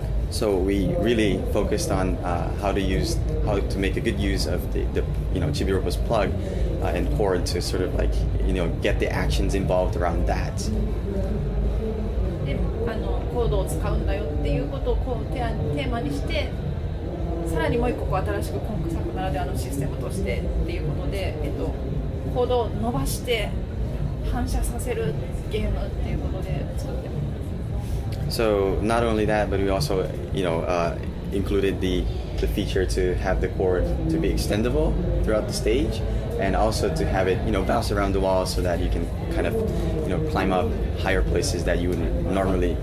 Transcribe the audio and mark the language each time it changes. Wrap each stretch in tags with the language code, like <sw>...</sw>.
<en>So we really focused on how to make a good use of the you know, Chibi-Robo's plug and cord to sort of like, you know, get the actions involved around that.</en> <ja>で、あの、コードを使うんだよっていうことをこう、テーマにして、さらにもう一個新しく今作ならではのシステムとしてっていうことで、行動を伸ばして反射させるゲームっていうことで作ってます。</ja> <en>So not only that, but we also, you know, included the feature to have the cord to be extendable throughout the stage, and also to have it, you know, bounce around the wall so that you can kind of, you know, climb up higher places that you wouldn't normally</en>